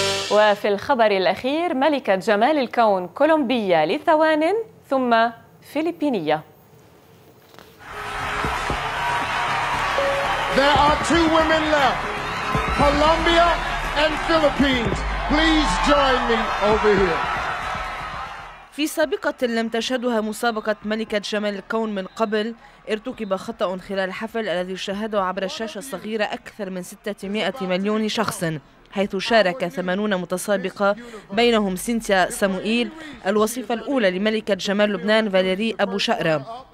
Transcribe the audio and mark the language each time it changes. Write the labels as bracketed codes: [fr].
[ar] وفي الخبر الأخير، ملكة جمال الكون كولومبية لثوان ثم فلبينية. [en] There are two women left, Colombia and Philippines. Please join me over here. [ar] في سابقة لم تشهدها مسابقة ملكة جمال الكون من قبل، ارتكب خطأ خلال الحفل الذي شاهده عبر الشاشة الصغيرة أكثر من 600 مليون شخص، حيث شارك 80 متسابقة بينهم سينتيا سموئيل الوصيفة الأولى لملكة جمال لبنان فاليري أبو شقرة.